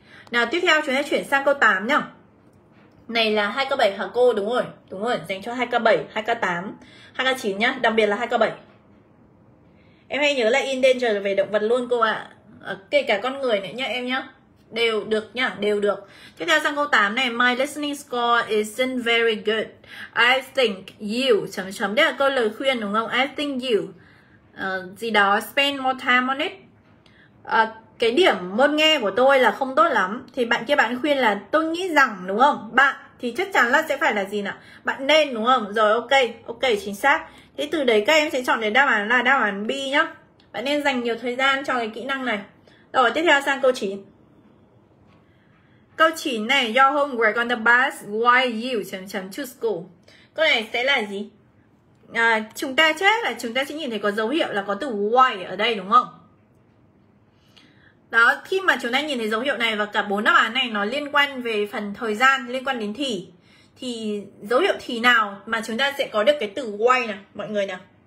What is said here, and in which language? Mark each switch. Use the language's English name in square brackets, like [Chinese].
[Vietnamese] Nào, tiếp theo chúng ta chuyển sang câu 8 nhá. Này là 2K7 hả cô? Đúng rồi, dành cho 2K7, 2K8, 2K9 nhá, đặc biệt là 2K7. Em hay nhớ là in danger về động vật luôn cô ạ. À, kể cả con người nữa nhá em nhá. Đều được nhá, đều được. Tiếp theo sang câu 8 này, my listening score isn't very good. [English] I think you... [Vietnamese] Đây là câu lời khuyên đúng không? I think you... gì đó, spend more time on it. Cái điểm môn nghe của tôi là không tốt lắm. Thì bạn kia bạn khuyên là tôi nghĩ rằng, đúng không? Bạn thì chắc chắn là sẽ phải là gì nào? Bạn nên, đúng không? Rồi ok, chính xác. Thế từ đấy các em sẽ chọn để đáp án là đáp án B nhá. Bạn nên dành nhiều thời gian cho cái kỹ năng này. Rồi tiếp theo sang câu 9. [English] Câu 9 này, your homework on the bus, why you... [Vietnamese] to school. Câu này sẽ là gì? Chúng ta sẽ nhìn thấy có dấu hiệu là có từ why ở đây đúng không? Đó, khi mà chúng ta nhìn thấy dấu hiệu này và cả bốn đáp án này nó liên quan về phần thời gian, liên quan đến thì dấu hiệu thì nào mà chúng ta sẽ có được cái từ why nào mọi người nào?